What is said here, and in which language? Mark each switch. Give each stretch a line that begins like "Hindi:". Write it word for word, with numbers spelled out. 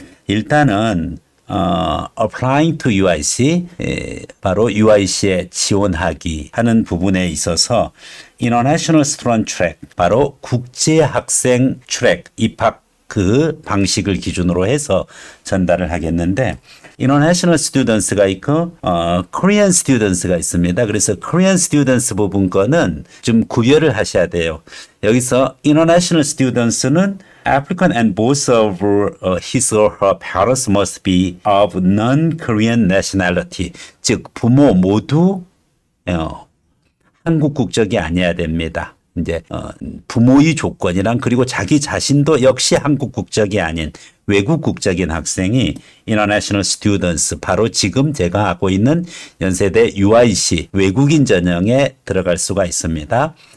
Korean: 일단은 어,
English: applying to
Korean: 유아이씨, 에, 바로 유아이씨에 지원하기 하는 부분에 있어서 International Student Track, 바로 국제학생 트랙 입학 그 방식을 기준으로 해서 전달을 하겠는데, International Students가 있고 어, Korean Students가 있습니다. 그래서 Korean Students 부분 거는 좀 구별을 하셔야 돼요. 여기서
English: International Students는 Applicant and both of uh, his or her parents must be of non-Korean nationality.
Korean: 즉 부모 모두 어, 한국 국적이 아니어야 됩니다. 이제 어, 부모의 조건이랑 그리고 자기 자신도 역시 한국 국적이 아닌 외국 국적인 학생이 International Students, 바로 지금 제가 하고 있는 연세대 유아이씨 외국인 전형에 들어갈 수가 있습니다.